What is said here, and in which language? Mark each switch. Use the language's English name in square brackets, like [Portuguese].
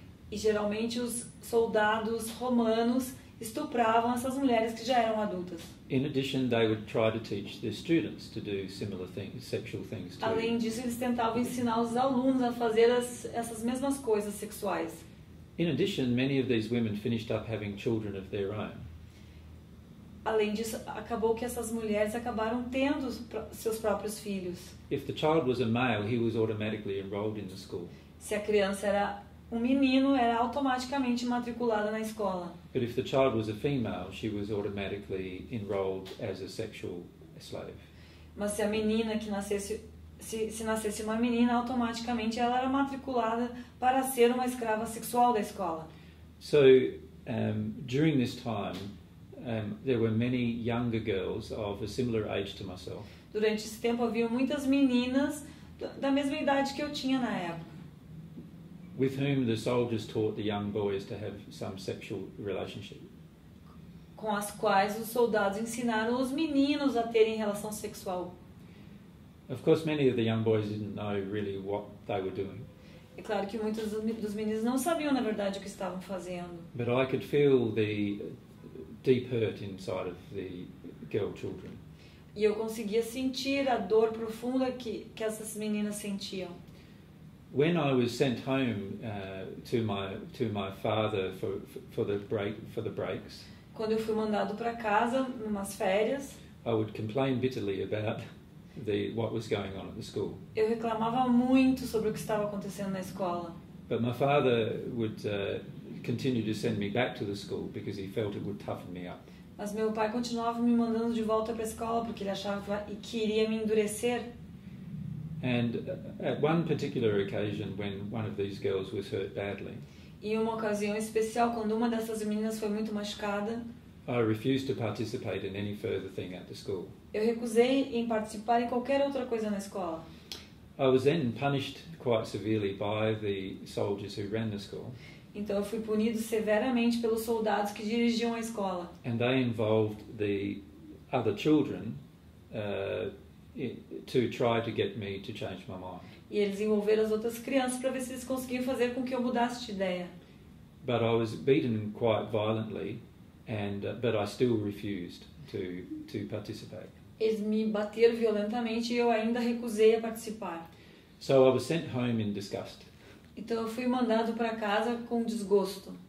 [Portuguese] E geralmente os soldados romanos estupravam essas mulheres que já eram adultas. [English] In addition, they would try to teach the students to do similar things, sexual things too. [Portuguese] Além disso, eles tentavam ensinar os alunos a fazer essas mesmas coisas sexuais. [English] In addition, many of these women finished up having children of their own. [Portuguese] Além disso, acabou que essas mulheres acabaram tendo seus próprios filhos. [English] If the child was a male, he was automatically enrolled in the school. [Portuguese] Se a criança era um menino, era automaticamente matriculada na escola. [English] But if the child was a female, she was automatically enrolled as a sexual slave. [Portuguese] Mas se a menina que nascesse uma menina, automaticamente ela era matriculada para ser uma escrava sexual da escola. [English] So, during this time, there were many younger girls of a similar age to myself. [Portuguese] Durante esse tempo havia muitas meninas da mesma idade que eu tinha na época. [English] With whom the soldiers taught the young boys to have some sexual relationship. [Portuguese] Com as quais os soldados ensinaram os meninos a terem relação sexual. [English] Of course, many of the young boys didn't know really what they were doing. [Portuguese] É claro que muitos dos meninos não sabiam na verdade o que estavam fazendo. [English] But I could feel the deep hurt inside of the girl children. [Portuguese] E eu conseguia sentir a dor profunda que essas meninas sentiam. [English] When I was sent home to my father for the breaks. [Portuguese] Quando eu fui mandado para casa numas férias. [English] I would complain bitterly about what was going on at the school. [Portuguese] Eu reclamava muito sobre o que estava acontecendo na escola. [English] But my father would continue to send me back to the school because he felt it would toughen me up. [Portuguese] Mas meu pai continuava me mandando de volta para a escola porque ele achava e queria me endurecer. [English] And at one particular occasion when one of these girls was hurt badly. [Portuguese] E uma ocasião especial quando uma dessas meninas foi muito machucada. [English] I refused to participate in any further thing at the school. [Portuguese] Eu recusei em participar em qualquer outra coisa na escola. [English] I was then punished quite severely by the soldiers who ran the school. [Portuguese] Então eu fui punido severamente pelos soldados que dirigiam a escola. [English] And they involved the other children to try to get me to change my mind. [Portuguese] E eles envolveram as outras crianças para ver se eles conseguiam fazer com que eu mudasse de ideia. [English] But I was beaten quite violently but I still refused to participate. [Portuguese] Eles me bateram violentamente e eu ainda recusei a participar. [English] So I was sent home in disgust. [Portuguese] Então eu fui mandado para casa com desgosto.